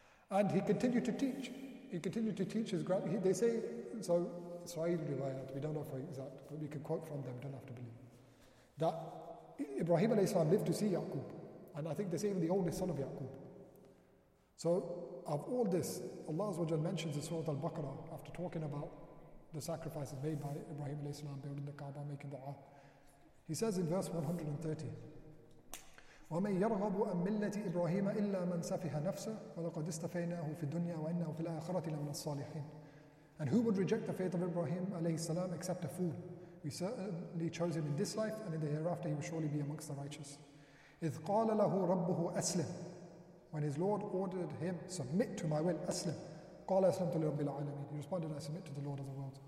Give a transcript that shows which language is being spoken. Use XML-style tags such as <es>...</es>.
<en>And he continued to teach. He continued to teach his grand. They say, so Israel riwayat, we don't know for exact, but we can quote from them, don't have to believe. That Ibrahim alayhi salam lived to see Ya'qub. And I think they say even the oldest son of Ya'qub. So, of all this, Allah mentions in Surah Al-Baqarah, after talking about the sacrifices made by Ibrahim alayhi salam, building the Kaaba, making du'a. He says in verse 130,</en> <ar>وَمَنْ يَرْغَبُ أَمْ مِلَّةِ إِبْرَاهِيمَ إِلَّا مَنْ سَفِهَ نَفْسَهُ وَلَقَدِ اسْتَفَيْنَاهُ فِي الدُّنْيَا وَإِنَّهُ فِي الْآخِرَةِ لَمِنَ الصَّالِحِينَ.</ar> <en>And who would reject the faith of Ibrahim alayhi salam except a fool? We certainly chose him in this life, and in the hereafter he will surely be amongst the righteous.</en> <ar>إِذْ قَالَ لَهُ رَبُّهُ أَسْلِمْ.</ar> <en>When his Lord ordered him, submit to my will,</en> <ar>أَسْلِمْ. قَالَ أَسْلَمْتُ لِرَبِّ الْعَالَمِينَ.</ar> <en>He responded, I submit to the Lord of the world.</en>